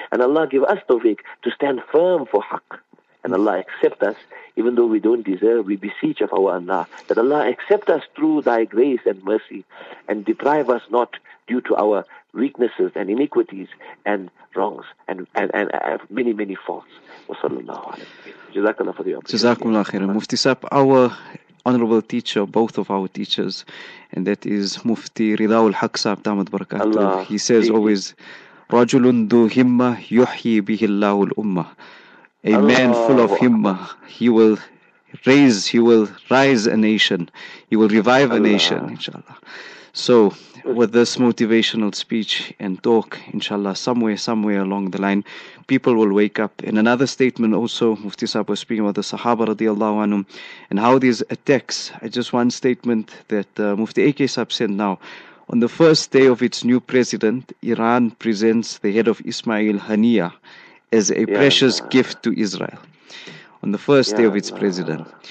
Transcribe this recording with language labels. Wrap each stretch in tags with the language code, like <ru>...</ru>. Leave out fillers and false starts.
<en>And Allah give us tawfiq to stand firm for haqq. And Allah accept us, even though we don't deserve, we beseech of our Allah, that Allah accept us through thy grace and mercy and deprive us not due to our weaknesses and iniquities and wrongs and many, many faults. Wa sallallahu alayhi wa sallam. Jazakallah for the opportunity. Jazakumullah khairan. Mufti Saab, our honorable teacher, both of our teachers, and that is Mufti Ridaul Haq Saab, Damat Barakatuh. Allah. He says always,</en> <ar>رَجُلٌ ذُو هِمَّةٌ يُحْيِي بِهِ اللَّهُ الْأُمَّةِ. A Allah.</ar> <en>Man full of himmah, he will rise a nation, he will revive Allah. A nation, inshallah. So, with this motivational speech and talk, inshallah, somewhere along the line, people will wake up. In another statement also, Mufti Saab was speaking about the Sahaba radiallahu anhum, and how these attacks, just one statement that Mufti AK Saab sent now, on the first day of its new president, Iran presents the head of Ismail Haniyeh, as a precious gift to Israel on the first day of its president.</en>